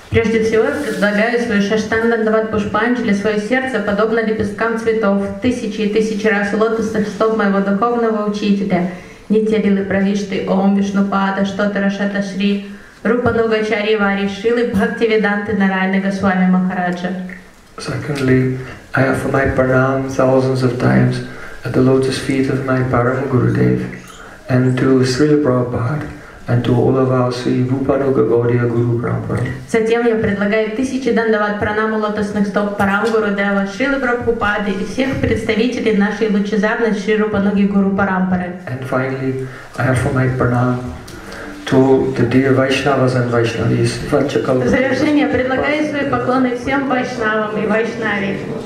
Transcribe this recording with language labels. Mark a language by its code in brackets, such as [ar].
[ru] Прежде всего, я предлагаю свою шаштандандават пушпанджали, свое сердце, подобно лепесткам цветов, тысячи и тысячи раз лотосных стоп моего духовного учителя, Нитилилы Правишты, Ом Вишнупада, Штотара Шата Шри, Рупануга Чари Вари, Шилы Бхакти Веданты Нарайана Госвами Махараджа. [en] Secondly, I offer my pranam thousands of times at the lotus feet of my Param Gurudev and to Srila Prabhupada And to all of us, Vupano Gaudiya Guru Parampara. [ru] Затем я предлагаю тысячи дандават пранаму лотосных стоп Парамгуру Дева Шрилы Прабхупады и всех представителей нашей лучезарной Шри Рупаноги Гуру Парампары. [en] And finally, I offer my pranam to the dear Vaishnavas and Vaishnavis. [ru] В завершение предлагаю свои поклоны всем Вайшнавам и Вайшнаве.